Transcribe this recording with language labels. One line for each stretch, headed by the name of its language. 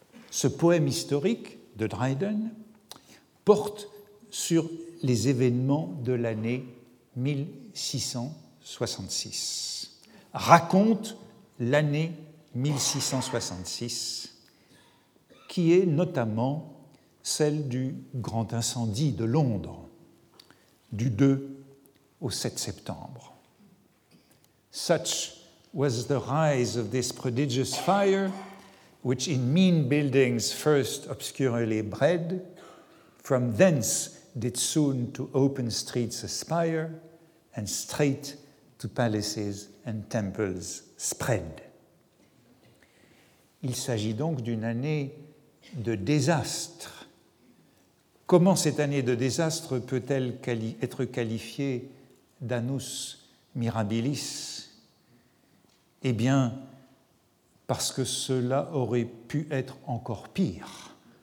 French: Ce poème historique de Dryden porte sur les événements de l'année 1666, raconte l'année 1666, qui est notamment celle du grand incendie de Londres, du 2 au 7 septembre.
English: Such was the rise of this prodigious fire, which in mean buildings first obscurely bred, from thence did soon to open streets aspire, and straight to palaces and temples spread.
French: Il s'agit donc d'une année de désastre. Comment cette année de désastre peut-elle être qualifiée d'annus mirabilis, Eh bien, parce que cela aurait pu être encore pire.